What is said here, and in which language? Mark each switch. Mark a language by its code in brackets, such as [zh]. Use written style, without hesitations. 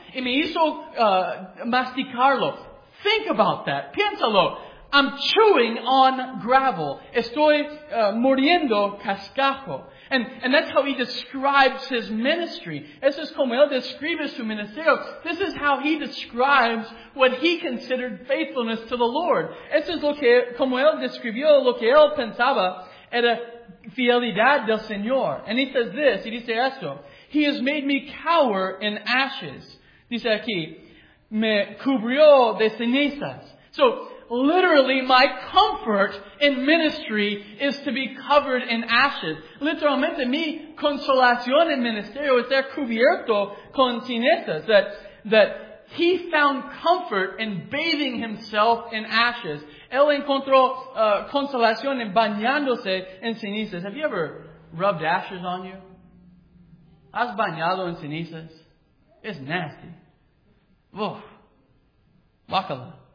[es] Y me hizo masticarlo. [en] Think about that. [es] Piénsalo. [en] I'm chewing on gravel. [es] Estoy muriendo cascajo. [en] And that's how he describes his ministry. [es] Eso es como él describe su ministerio. [en] This is how he describes what he considered faithfulness to the Lord. [es] Eso es lo que, como él describió, lo que él pensaba era fidelidad del Señor. [en] And he says this, he [es] dice esto. [en] He has made me cower in ashes. [es] Dice aquí, me cubrió de cenizas. [en] So, literally, my comfort in ministry is to be covered in ashes. [es] Literalmente, mi consolación en ministerio es ser cubierto con cenizas. [en] That he found comfort in bathing himself in ashes. [es] Él encontró consolación en bañándose en cenizas. [en] Have you ever rubbed ashes on you? [es] ¿Has bañado en cenizas? [en] It's nasty. Oof. Bacala.